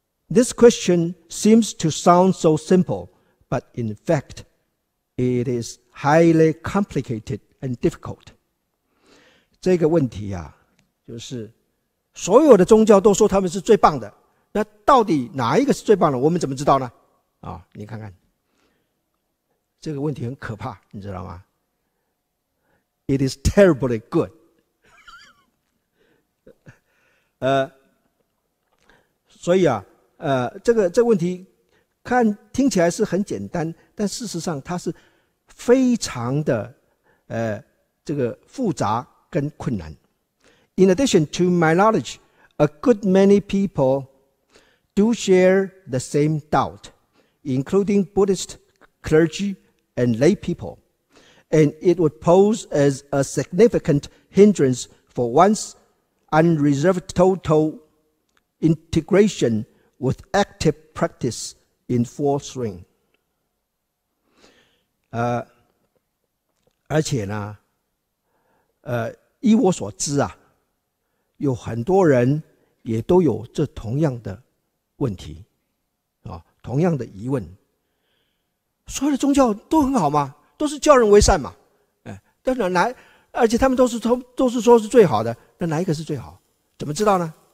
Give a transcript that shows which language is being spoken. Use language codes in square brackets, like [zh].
[en] This question seems to sound so simple, but in fact, it is highly complicated and difficult. [zh] 这个问题啊，就是所有的宗教都说他们是最棒的，那到底哪一个是最棒的？我们怎么知道呢？啊，你看看，这个问题很可怕，你知道吗？ [en] It is terribly good. [zh] 所以啊这个问题看听起来是很简单，但事实上它是非常的这个复杂跟困难。 [en] In addition to my knowledge, a good many people do share the same doubt, including Buddhist clergy and lay people, and it would pose as a significant hindrance for one's unreserved total integrationwith active practice in full swing. [zh] 而且呢依我所知啊，有很多人也都有这同样的问题啊，同样的疑问。所有的宗教都很好嘛，都是教人为善嘛，但是哪，而且他们都是说是最好的，那哪一个是最好？怎么知道呢？